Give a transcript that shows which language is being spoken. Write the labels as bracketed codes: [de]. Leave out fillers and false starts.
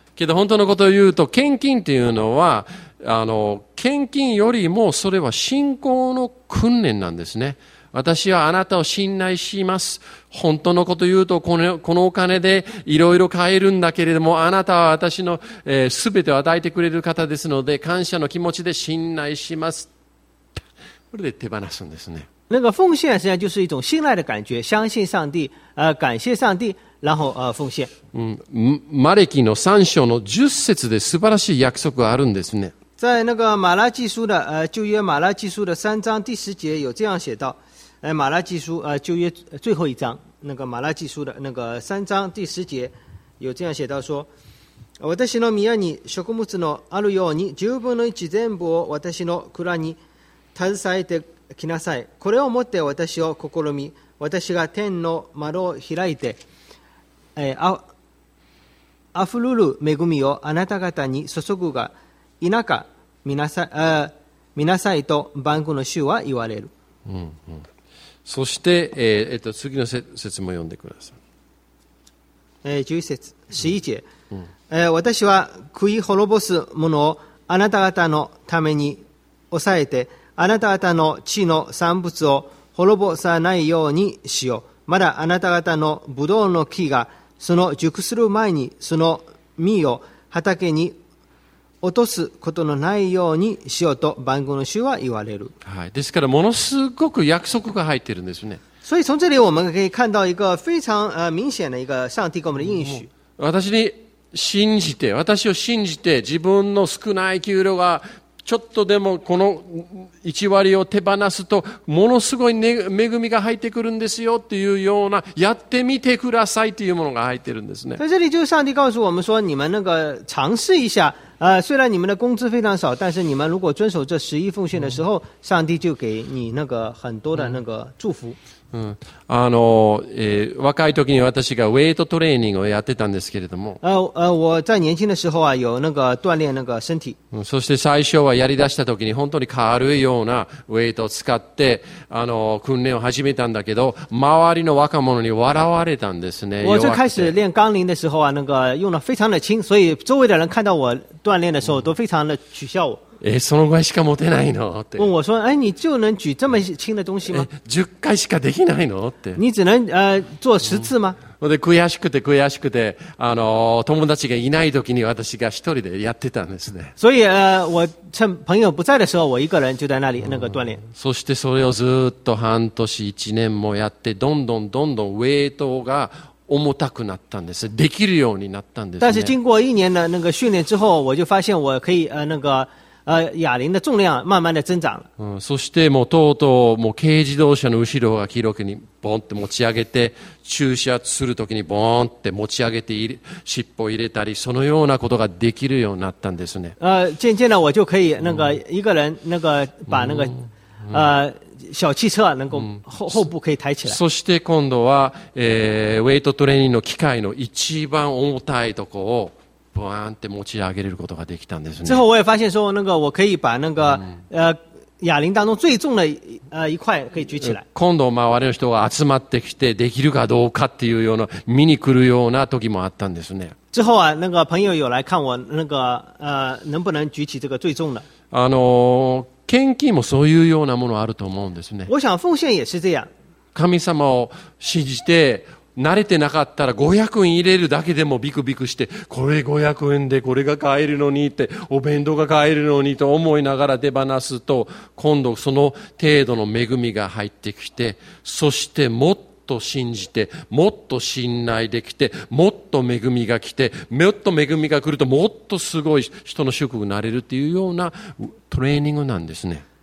[ja] けど本当のことを言うと、献金っていうのは献金よりもそれは信仰の訓練なんですね。私はあなたを信頼します。本当のこと言うと、このお金でいろいろ買えるんだけれども、あなたは私の、全てを与えてくれる方ですので、感謝の気持ちで信頼します。それで手放すんですね。 [zh] 那个奉献实际上就是一种信赖的感觉，相信上帝，感谢上帝，然后奉献。 [ja] マレキの3章の10節で素晴らしい約束があるんですね。 [zh] 在那个马拉基书的旧约马拉基书的三章第十节有这样写到，马拉基书旧约最后一章，那个马拉基书的那个三章第十节有这样写到说。 [ja] 私の宮に食物のあるように十分の一全部を私の蔵に携えてきなさい。これをもって私を試み、私が天の窓を開いて、あふるる恵みをあなた方に注ぐが否か見なさいと万軍の主は言われる。そして、次の節も読んでください。 11節、11節。私は悔い滅ぼすものをあなた方のために抑えて、あなた方の地の産物を滅ぼさないようにしよう。まだあなた方のブドウの木がその熟する前にその実を畑に落とすことのないようにしようと万軍の主は言われる、はい、ですからものすごく約束が入っているんですね。 [zh] 所以从这里我们可以看到一个非常明显的一个上帝给我们的应许。 [ja] 私を信じて自分の少ない給料がちょっとでもこの1割を手放すとものすごい、ね、恵みが入ってくるんですよっていうようなやってみてくださいというものが入ってるんですね。 [zh] 在这里就上帝告诉我们说你们那个尝试一下虽然你们的工资非常少，但是你们如果遵守这十一奉献的时候，上帝就给你那个很多的那个祝福。 [ja] 若い時に私がウェイトトレーニングをやってたんですけれども。 [zh] 我在年轻的时候啊，有那个锻炼那个身体。 [ja] そして最初はやり出した時に本当に軽いようなウェイトを使って訓練を始めたんだけど、周りの若者に笑われたんですね。 [zh] 我最开始练杠铃的时候啊，那个用的非常的轻，所以周围的人看到我。锻炼的时候都非常的取笑我。 [ja] そのぐらいしか持てないのって。 [zh] 问我说，哎，你就能举这么轻的东西吗？ [ja] 十回しかできないのって。 [zh] 你只能做十次吗？ [ja] で悔しくて悔しくて友達がいない時に私が一人でやってたんですね。 [zh] 所以我趁朋友不在的时候，我一个人就在那里那个锻炼。 [ja] そしてそれをずっと半年一年もやって、どんどんどんどんウェイトが重たくなったんです。できるようになったんです、ね。 [zh] 但是经过一年的那个训练之后，我就发现我可以那个哑铃的重量慢慢的增长了。 [ja] そしてもうとうとうもう軽自動車の後ろが記録にボンって持ち上げて、駐車するときにボンって持ち上げて尻尾入れたり、そのようなことができるようになったんですね。 [zh] 渐渐的我就可以那个一个人那个把那个小汽车能够后部可以抬起来。 [ja] そして今度は、ウェイトトレーニングの機械の一番重たいとこをブワーンって持ち上げれることができたんですね。 [zh] 之后我也发现说，那个我可以把那个哑铃当中最重的一块可以举起来。 [ja] 今度周りの人が集まってきてできるかどうかっていうような見に来るような時もあったんですね。 [zh] 之后啊，那个朋友有来看我那个能不能举起这个最重的。 [ja] 献金もそういうようなものあると思うんですね。 [zh] 我想奉献也是这样。 [ja] 神様を信じて慣れてなかったら500円入れるだけでもビクビクして、これ500円でこれが買えるのにって、お弁当が買えるのにと思いながら手放すと、今度その程度の恵みが入ってきて、そしてもっと信じて、もっと信頼できて、もっと恵みが来て、もっと恵みが来るともっとすごい人の祝福になれるっていうようなトレーニングなんですね。